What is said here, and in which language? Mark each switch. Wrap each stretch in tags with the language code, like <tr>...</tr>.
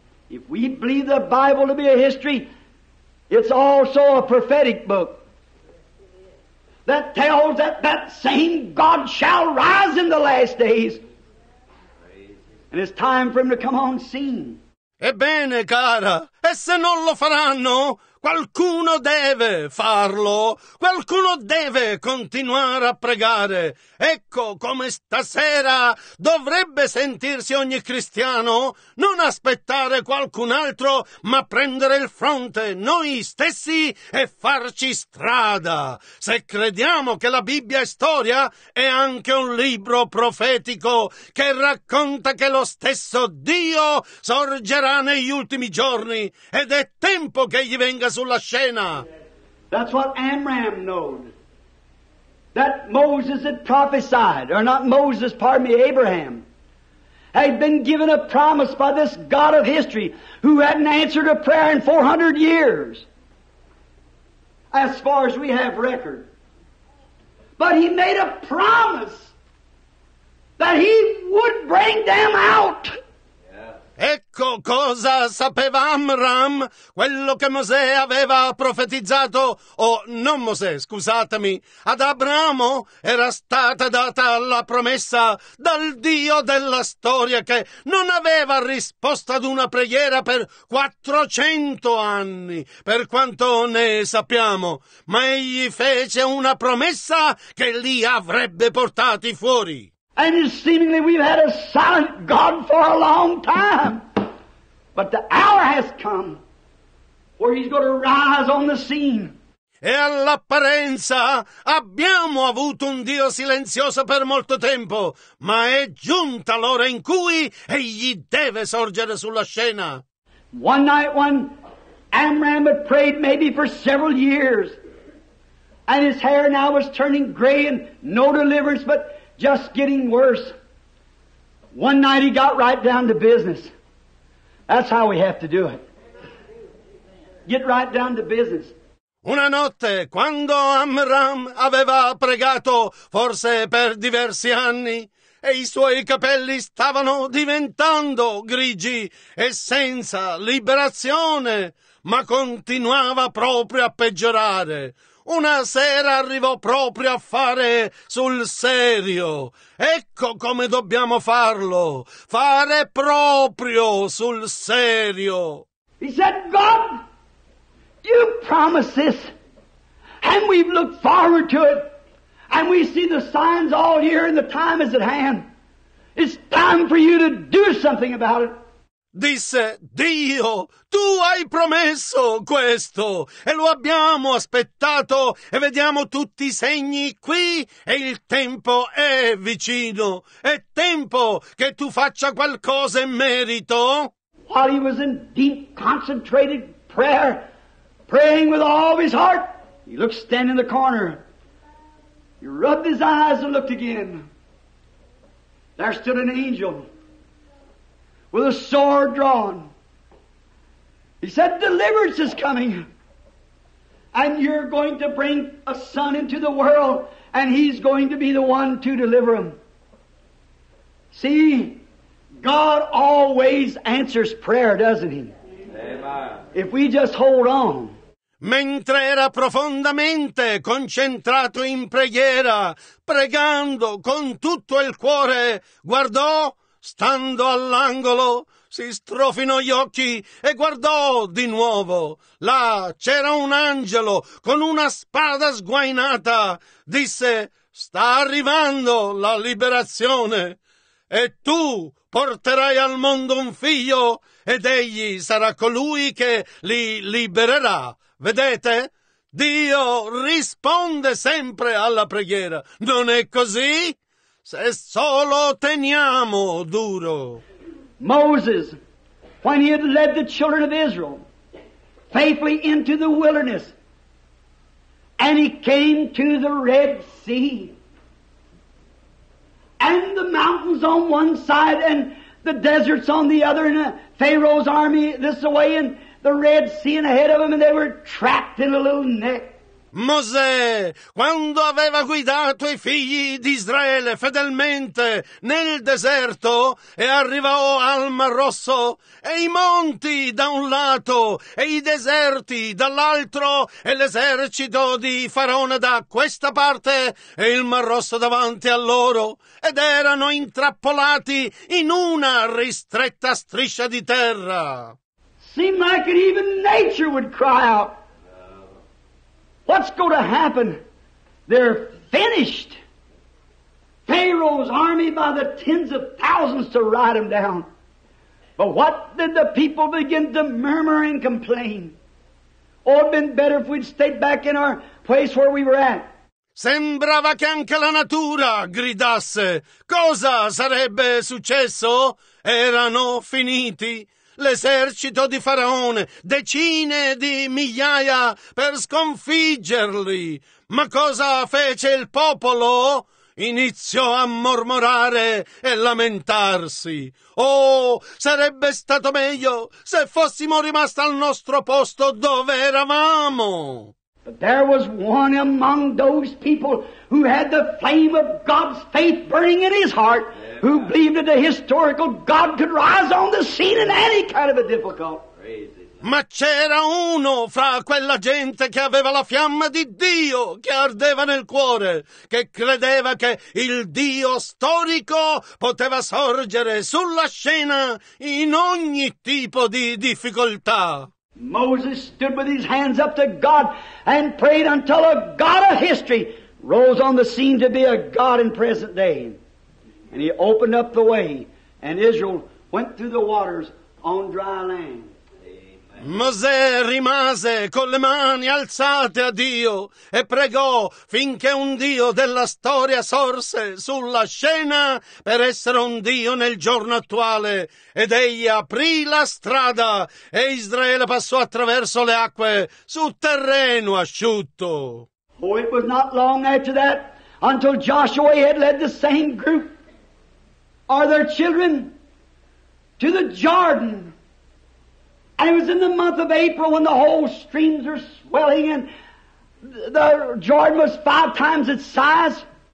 <en>If we believe the Bible to be a history, it's also a prophetic book that tells that that same God shall rise in the last days. And it's time for him to come on scene.</en> <it>Ebbene, cara, e se non lo faranno? Qualcuno deve farlo, qualcuno deve continuare a pregare. Ecco come stasera dovrebbe sentirsi ogni cristiano, non aspettare qualcun altro, ma prendere il fronte noi stessi e farci strada. Se crediamo che la Bibbia è storia, è anche un libro profetico che racconta che lo stesso Dio sorgerà negli ultimi giorni ed è tempo che gli venga sulla scena.</it> <en>That's what Amram knowed. That Moses had prophesied, or not Moses, pardon me, Abraham, had been given a promise by this God of history who hadn't answered a prayer in 400 years, as far as we have record. But he made a promise that he would bring them out.</en> <it>Ecco cosa sapeva Amram, quello che Mosè aveva profetizzato, non Mosè, scusatemi, ad Abramo era stata data la promessa dal Dio della storia che non aveva risposto ad una preghiera per 400 anni, per quanto ne sappiamo, ma egli fece una promessa che li avrebbe portati fuori.</it> <en>And seemingly we've had a silent God for a long time. But the hour has come where he's going to rise on the scene.</en> <it>E all'apparenza abbiamo avuto un Dio silenzioso per molto tempo, ma è giunta l'ora in cui egli deve sorgere sulla scena.</it> <en>One night when Amram had prayed maybe for several years, and his hair now was turning gray and no deliverance, but just getting worse. One night he got right down to business. That's how we have to do it. Get right down to business.</en> <it>Una notte, quando Amram aveva pregato, forse per diversi anni, e i suoi capelli stavano diventando grigi e senza liberazione, ma continuava proprio a peggiorare. Una sera arrivò proprio a fare sul serio. Ecco come dobbiamo farlo. Fare proprio sul serio.</it> <en>He said, God, you promised this. And we've looked forward to it. And we see the signs all here and the time is at hand. It's time for you to do something about it.</en> <it>disse, Dio, tu hai promesso questo, e lo abbiamo aspettato, e vediamo tutti i segni qui, e il tempo è vicino, è tempo che tu faccia qualcosa in merito.</it> <en>While he was in deep, concentrated prayer, praying with all of his heart, he looked standing in the corner. He rubbed his eyes and looked again. There stood an angel with a sword drawn. He said, deliverance is coming. And you're going to bring a son into the world, and he's going to be the one to deliver him. See, God always answers prayer, doesn't he? If we just hold on.</en> <it>Mentre era profondamente concentrato in preghiera, pregando con tutto il cuore, guardò, stando all'angolo, si strofinò gli occhi e guardò di nuovo. Là c'era un angelo con una spada sguainata. Disse, sta arrivando la liberazione e tu porterai al mondo un figlio ed egli sarà colui che li libererà. Vedete? Dio risponde sempre alla preghiera. Non è così? Se solo teniamo duro.</it> <en>Moses, when he had led the children of Israel faithfully into the wilderness, and he came to the Red Sea, and the mountains on one side, and the deserts on the other, and Pharaoh's army this way, and the Red Sea ahead of them, and they were trapped in a little net.</en> <it>Mosè, quando aveva guidato i figli di Israele fedelmente nel deserto e arrivò al Mar Rosso, e i monti da un lato e i deserti dall'altro e l'esercito di Faraone da questa parte e il Mar Rosso davanti a loro, ed erano intrappolati in una ristretta striscia di terra.</it> <en>Seemed like it even nature would cry out. What's going to happen? They're finished. Pharaoh's army by the tens of thousands to ride them down. But what did the people begin to murmur and complain? Oh, it'd been better if we'd stayed back in our place where we were at.</en> <it>Sembrava che anche la natura gridasse. Cosa sarebbe successo? Erano finiti. L'esercito di Faraone, decine di migliaia per sconfiggerli. Ma cosa fece il popolo? Iniziò a mormorare e lamentarsi. Oh, sarebbe stato meglio se fossimo rimasti al nostro posto dove eravamo.</it> <en>But there was one among those people who had the flame of God's faith burning in his heart, who believed that the historical God could rise on the scene in any kind of a difficult.</en> <it>Ma c'era uno fra quella gente che aveva la fiamma di Dio che ardeva nel cuore, che credeva che il Dio storico poteva sorgere sulla scena in ogni tipo di difficoltà.</it> <en>Moses stood with his hands up to God and prayed until a God of history rose on the scene to be a God in present day. And he opened up the way, and Israel went through the waters on dry land.</en> <it>Mosè rimase con le mani alzate a Dio e pregò finché un Dio della storia sorse sulla scena per essere un Dio nel giorno attuale. Ed egli aprì la strada e Israele passò attraverso le acque su terreno asciutto.</it> <en>Oh, it was not long after that until Joshua had led the same group or their children to the Jordan. And it was in the month of April when the whole streams were swelling and the Jordan was five times its size.</en>